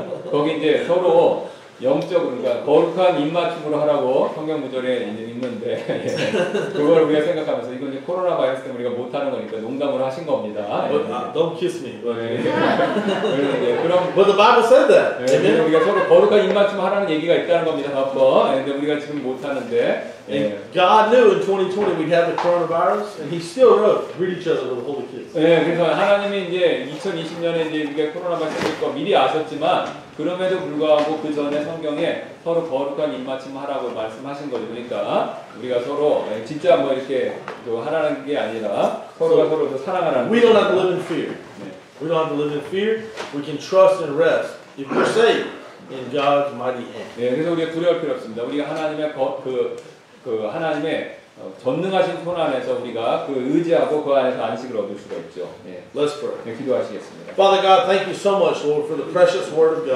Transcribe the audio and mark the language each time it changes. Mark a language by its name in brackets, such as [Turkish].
[Korean] 거기 이제 서로 영적 그러니까 거룩한 입맞춤으로 하라고 성경 구절에 있는데 그걸 우리가 생각하면서 이건 이제 코로나 바이러스 때문에 우리가 못하는 거니까 농담으로 하신 겁니다. [English] Don't kiss me. 그럼 But the Bible said that. [Korean] 네, 우리가 서로 거룩한 입맞춤 하라는 얘기가 있다는 겁니다. 바빠. 근데 우리가 지금 못하는데 [English] And God knew in 2020 we'd have the coronavirus, and He still wrote, "Greet each other with a holy kiss." [Korean] 예, 그래서 하나님이 이제 2020년에 이제 우리가 코로나 발생할 거 미리 아셨지만 그럼에도 불구하고 그 전에 성경에 서로 거룩한 입맞춤하라고 말씀하신 거죠. 그러니까 우리가 서로 진짜 뭐 이렇게 또 하나는 게 아니라 서로가 서로 더 사랑하라는. [English] We don't have to live in fear. We don't have to live in fear. We can trust and rest if we're safe in God's mighty hand. [Korean] 예, 그래서 우리가 두려울 필요 없습니다. 우리가 하나님의 그 하나님의 전능하신 손 안에서 우리가 그 의지하고 그 안에서 안식을 얻을 수가 있죠. 예. [English] Let's pray. [Korean] 네, 기도하시겠습니다. [English] Father God, thank you so much, Lord, for the precious word of God.